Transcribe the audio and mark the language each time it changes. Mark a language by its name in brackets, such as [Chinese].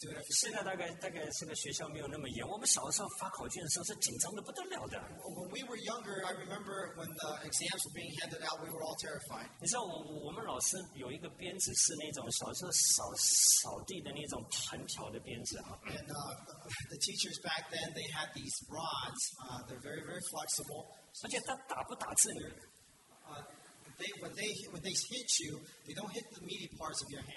[Chinese] 现在大概是个学校没有那么严，我们小的时候发考卷的时候是紧张的不得了的。 [English] When we were younger, I remember when the exams were being handed out, we were all terrified. [Chinese] 你知道我们老师有一个鞭子是那种小时候扫地的那种很小的鞭子啊。 [English] And the teachers back then, they had these rods. They're very, very flexible. [Chinese] 而且他打不打字呢? [English] When they hit you, they don't hit the meaty parts of your hand.